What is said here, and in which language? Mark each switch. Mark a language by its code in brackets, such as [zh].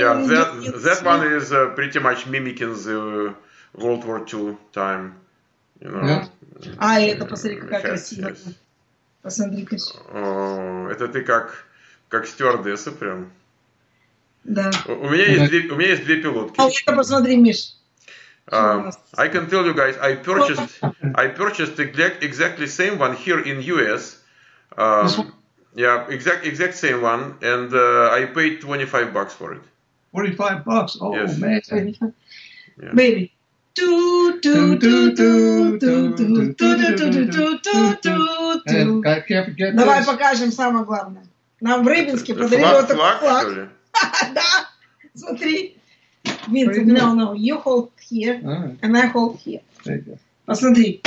[en] Yeah, that one is pretty much mimicking the World War II time. You know. Yeah. [ru] А это посмотри, какая красивая. [en] Yes. [ru] Посмотри-ка. Это ты как стюардесса прям. Да. У меня есть две пилотки. А это посмотри, Миш. [en] I can tell you guys, I purchased exactly same one here in US. Exact same one, and I paid $25 for it. $45? Oh, yes. Man. Yeah. Baby. [ru] Давай покажем самое главное. Нам в Рыбинске подарили вот такой флаг. Да, смотри. Винс, [en] no, you hold here, and I hold here. [ru] Посмотри.